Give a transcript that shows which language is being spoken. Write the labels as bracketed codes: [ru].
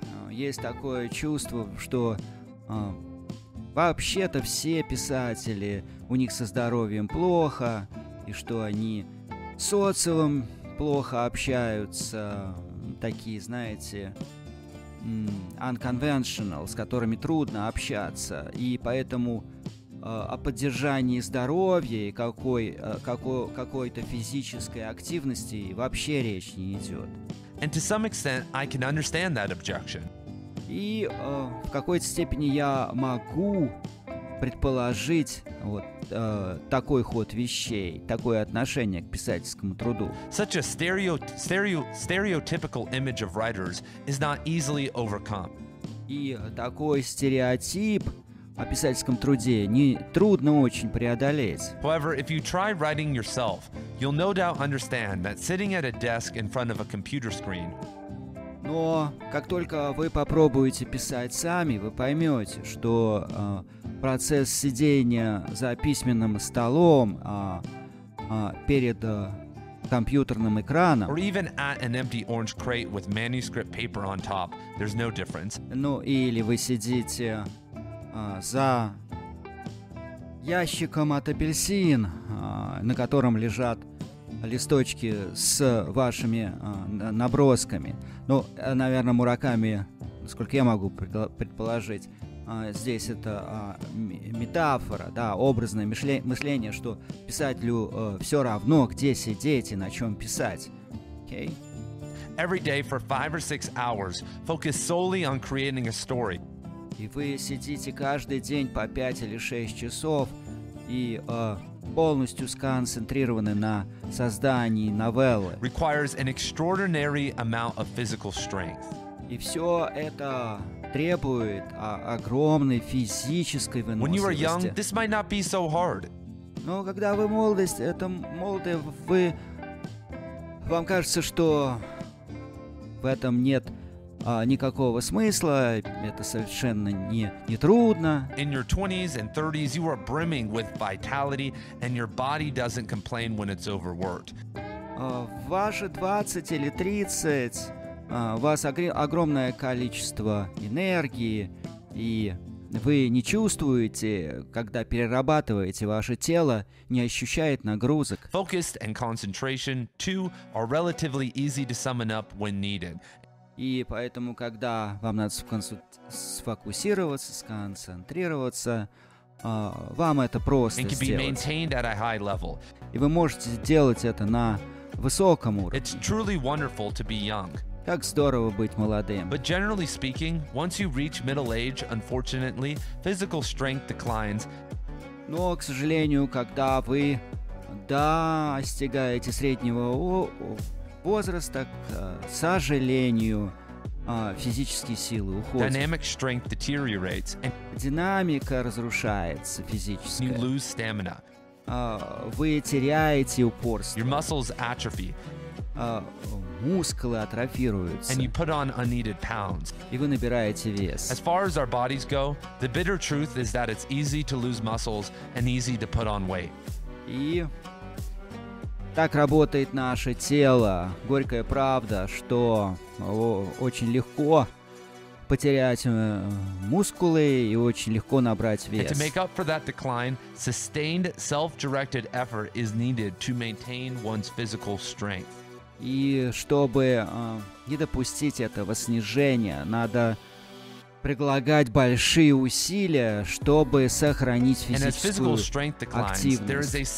[ru] Есть такое чувство, что вообще-то все писатели, у них со здоровьем плохо, и что они с социумом плохо общаются, такие, знаете, unconventional, с которыми трудно общаться, и поэтому о поддержании здоровья и какой-то физической активности вообще речь не идет. [en] And to some extent, I can understand that objection. [ru] И в какой-то степени я могу предположить вот такой ход вещей, такое отношение к писательскому труду. [en] Such a stereotypical image of writers is not easily overcome. [ru] И такой стереотип о писательском труде не трудно очень преодолеть. [en] However, if you try writing yourself, you'll no doubt understand that sitting at a desk in front of a computer screen. [ru] Но как только вы попробуете писать сами, вы поймете, что процесс сидения за письменным столом перед компьютерным экраном, [en] or even at an empty orange crate with manuscript paper on top, there's no difference. [ru] Ну или вы сидите за ящиком от апельсин, на котором лежат листочки с вашими набросками. Ну, наверное, Мураками, насколько я могу предположить, здесь это метафора, да, образное мышление, что писателю все равно, где сидеть и на чем писать. [en] Okay? Every day for 5 or 6 hours, focus solely on creating a story. [ru] И вы сидите каждый день по 5 или 6 часов и полностью сконцентрированы на создании новеллы. [en] Requires an extraordinary amount of physical strength. [ru] И все это требует огромной физической выносливости. [en] When you are young, this might not be so hard. [ru] Но когда вы молодость, это молодые, вы вам кажется, что в этом нет никакого смысла, это совершенно не трудно. [en] In your 20s and 30s, you are brimming with vitality, and your body doesn't complain when it's overworked. [ru] Ваши 20 или 30, у вас огромное количество энергии, и вы не чувствуете, когда перерабатываете, ваше тело не ощущает нагрузок. [en] Focused and concentration, too, are relatively easy to summon up when needed. [ru] И поэтому, когда вам надо сфокусироваться, сконцентрироваться, вам это просто сделать. [en] And can be maintained at a high level. [ru] И вы можете делать это на высоком уровне. [en] It's truly wonderful to be young. [ru] Как здорово быть молодым. [en] But generally speaking, once you reach middle age, unfortunately, physical strength declines. [ru] Но, к сожалению, когда вы достигаете среднего возраста, к сожалению, физические силы уходят. [en] Dynamic strength deteriorates. [ru] Динамика разрушается физическая. [en] You lose stamina. [ru] Вы теряете упорство. [en] Your muscles atrophy. [ru] Мускулы атрофируются. [en] And you put on unneeded pounds. [ru] И вы набираете вес. [en] As far as our bodies go, the bitter truth is that it's easy to lose muscles and easy to put on weight. [ru] И так работает наше тело. Горькая правда, что очень легко потерять мускулы и очень легко набрать вес. [en] And to make up for that decline, sustained self-directed effort is needed to maintain one's physical strength. [ru] И чтобы не допустить этого снижения, надо прилагать большие усилия, чтобы сохранить физическую активность.